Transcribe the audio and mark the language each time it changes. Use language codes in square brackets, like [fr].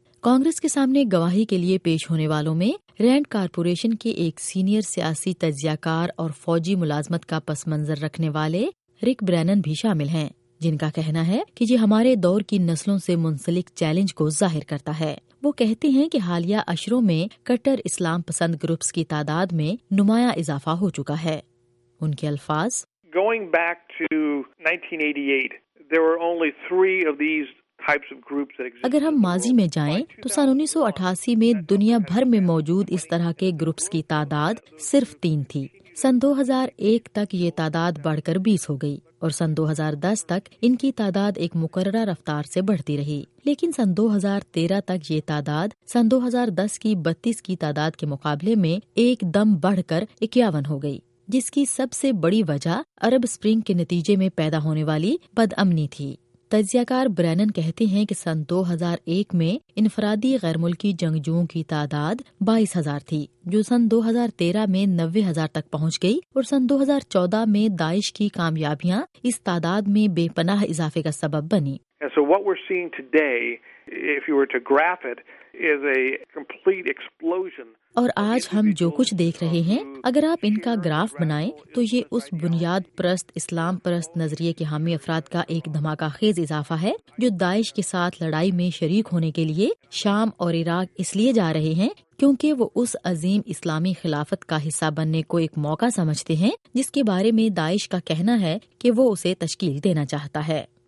[ur] کانگریس کے سامنے گواہی کے لیے پیش ہونے والوں میں رینڈ کارپوریشن کے ایک سینئر سیاسی تجزیہ کار اور فوجی ملازمت کا پس منظر رکھنے والے رک برینن بھی شامل ہیں، جن کا کہنا ہے کہ یہ ہمارے دور کی نسلوں سے منسلک چیلنج کو ظاہر کرتا ہے۔ وہ کہتے ہیں کہ حالیہ عشروں میں کٹر اسلام پسند گروپس کی تعداد میں نمایاں اضافہ ہو چکا ہے۔ ان کے الفاظ، [en] Going back to 1988, there were only three of these types of groups that existed. [ur] اگر ہم ماضی میں جائیں تو سن 1988 میں دنیا بھر میں موجود اس طرح کے گروپس کی تعداد صرف تین تھی۔ سن 2001 تک یہ تعداد بڑھ کر 20 ہو گئی، اور سن 2010 تک ان کی تعداد ایک مقررہ رفتار سے بڑھتی رہی، لیکن سن 2013 تک یہ تعداد سن 2010 کی 32 کی تعداد کے مقابلے میں ایک دم بڑھ کر 51 ہو گئی، جس کی سب سے بڑی وجہ عرب سپرنگ کے نتیجے میں پیدا ہونے والی بد امنی تھی۔ تجزیہ کار برینن کہتے ہیں کہ سن 2001 میں انفرادی غیر ملکی جنگجوؤں کی تعداد 22,000 تھی، جو سن 2013 میں 90,000 تک پہنچ گئی، اور سن 2014 میں داعش کی کامیابیاں اس تعداد میں بے پناہ اضافے کا سبب بنی۔ [en] So what we're seeing today, if you were to graph it, is a complete explosion. [ur] اور آج ہم جو کچھ دیکھ رہے ہیں، اگر آپ ان کا گراف بنائیں تو یہ اس بنیاد پرست اسلام پرست نظریے کے حامی افراد کا ایک دھماکہ خیز اضافہ ہے، جو داعش کے ساتھ لڑائی میں شریک ہونے کے لیے شام اور عراق اس لیے جا رہے ہیں کیونکہ وہ اس عظیم اسلامی خلافت کا حصہ بننے کو ایک موقع سمجھتے ہیں، جس کے بارے میں داعش کا کہنا ہے کہ وہ اسے تشکیل دینا چاہتا ہے۔